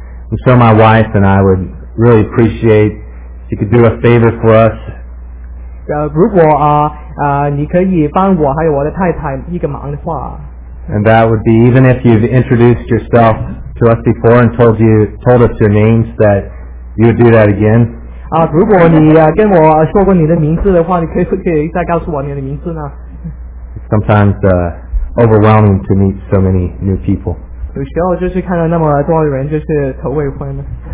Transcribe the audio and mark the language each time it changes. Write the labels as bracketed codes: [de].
[en] And so my wife and I would really appreciate if you could do a favor for us. [zh] 如果你可以帮我还有我的太太一个忙的话。 [en] And that would be even if you've introduced yourself to us before and told us your names that you would do that again? [zh] 如果你跟我说过你的名字的话，你可以再告诉我你的名字呢？ [en] It's sometimes overwhelming to meet so many new people. [zh] 有时候就是看到那么多人就是头未婚的。